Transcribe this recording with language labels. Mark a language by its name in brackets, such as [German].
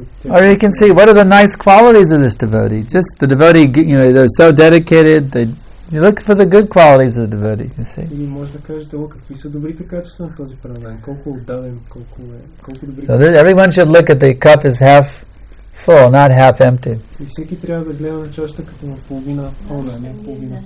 [English] Or you can see, what are the nice qualities of this devotee? Just the devotee, you know, they're so dedicated, they You look for the good qualities of the devotee, you see. [Bulgarian] Или може да кажете, о, какви са добрите качества на този праведник? Колко отдаден, колко е, колко добри. [English] So this, everyone should look at the cup as half full, not half empty. [Bulgarian] И всеки трябва да гледа на чашата като на половина пълна, не половина